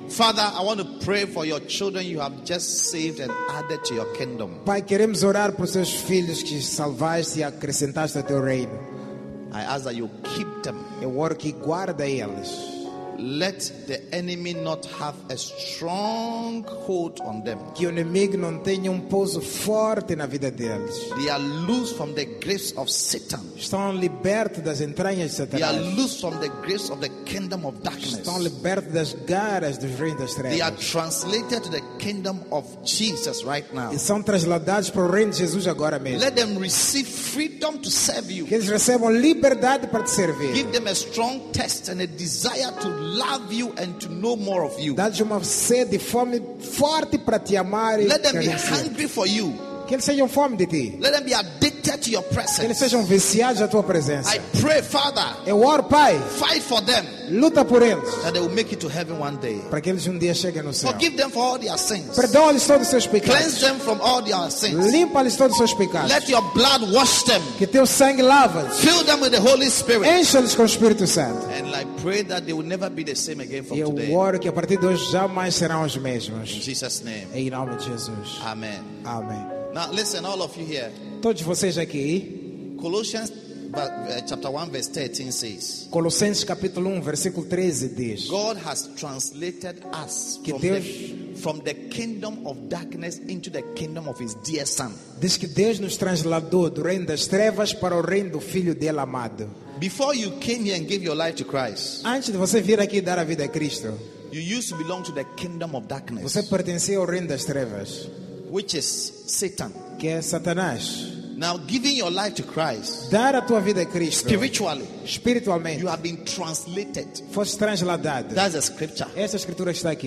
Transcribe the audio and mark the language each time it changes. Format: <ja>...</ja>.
<en>Father, I want to pray for your children you have just saved and added to your kingdom.</en> <pt>Pai, queremos orar por seus filhos que salvaste e acrescentaste ao teu reino.</pt> <en>I ask that you keep them.</en> <pt>Eu oro que guarda eles.</pt> <en>Let the enemy not have a strong hold on them.</en> <pt>Que o inimigo não tenha pouso forte na vida deles.</pt> <en>They are loose from the grips of Satan.</en> <pt>Estão libertos das entranhas de Satanás.</pt> <en>They are loose from the grips of the kingdom of darkness.</en> <pt>Estão libertos das garras do reino das trevas.</pt> <en>They are translated to the kingdom of Jesus right now.</en> <pt>E são trasladados para o reino de Jesus agora mesmo.</pt> <en>Let them receive freedom to serve you.</en> <pt>Que eles recebam liberdade para te servir.</pt> <en>Give them a strong test and a desire to love you and to know more of you.</en> <pt>Dá-lhes uma sede e fome forte para te amar.</pt> <en>Let them be hungry for you.</en> <pt>Que eles tenham fome de ti.</pt> <en>Let them be addicted to your presence.</en> <pt>Que eles sejam viciados à tua presença.</pt> <en>I pray, Father.</en> <pt>Eu oro, Pai.</pt> <en>Fight for them.</en> <pt>Luta por eles.</pt> <en>That they will make it to heaven one day.</en> <pt>Para que eles um dia cheguem no céu.</pt> <en>Forgive them for all their sins.</en> <pt>Perdoa-lhes todos os seus pecados.</pt> <en>Cleanse them from all their sins.</en> <pt>Limpa-lhes todos os seus pecados.</pt> <en>Let your blood wash them.</en> <pt>Que teu sangue lave-os.</pt> <en>Fill them with the Holy Spirit.</en> <pt>Enche-os com o Espírito Santo.</pt> <en>And I pray that they will never be the same again from today.</en> <pt>Eu oro que a partir de hoje jamais serão os mesmos.</pt> <en>In Jesus' name.</en> <pt>Em nome de Jesus.</pt> <en>Amen.</en> <pt>Amém.</pt> <en>Now listen, all of you here.</en> <pt>Todos vocês aqui.</pt> <en>Colossians chapter 1 verse 13 says.</en> <pt>Colossenses capítulo 1 versículo 13 diz.</pt> <en>God has translated us from the kingdom of darkness into the kingdom of his dear son.</en> <pt>Diz que Deus nos transladou do reino das trevas para o reino do filho dele amado.</pt> <en>Before you came here and gave your life to Christ.</en> <pt>Antes de você vir aqui dar a vida a Cristo.</pt> <en>You used to belong to the kingdom of darkness.</en> <pt>Você pertencia ao reino das trevas.</pt> <en>Which is Satan.</en> <pt>Que é Satanás.</pt> <en>Now giving your life to Christ.</en> <pt>Dar a tua vida a Cristo.</pt> <en>Spiritually.</en> <pt>Espiritualmente.</pt> <en>You have been translated.</en> <pt>Foste transladado.</pt> <en>That's a scripture.</en> <pt>Essa escritura está aqui.</pt>